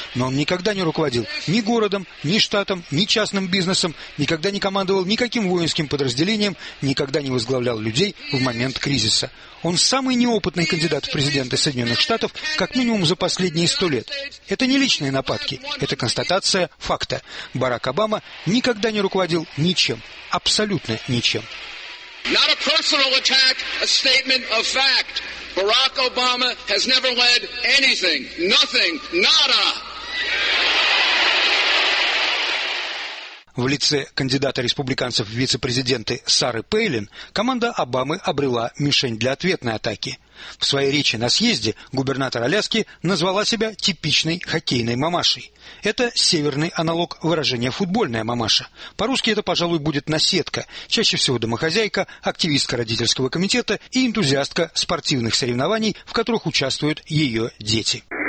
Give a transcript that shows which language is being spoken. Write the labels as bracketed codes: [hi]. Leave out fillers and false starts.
[ru] Но он никогда не руководил ни городом, ни штатом, ни частным бизнесом, никогда не командовал никаким воинским подразделением, никогда не возглавлял людей в момент кризиса. Он самый неопытный кандидат в президенты Соединенных Штатов, как минимум за последние 100 лет. Это не личные нападки, это констатация факта. Барак Обама никогда не руководил ничем, абсолютно ничем. [en] Not a personal attack, a statement of fact. Barack Obama has never led anything, nothing, nada. [ru] В лице кандидата республиканцев в вице-президенты Сары Пейлин команда Обамы обрела мишень для ответной атаки. В своей речи на съезде губернатор Аляски назвала себя типичной хоккейной мамашей. Это северный аналог выражения «футбольная мамаша». По-русски это, пожалуй, будет наседка, чаще всего домохозяйка, активистка родительского комитета и энтузиастка спортивных соревнований, в которых участвуют ее дети.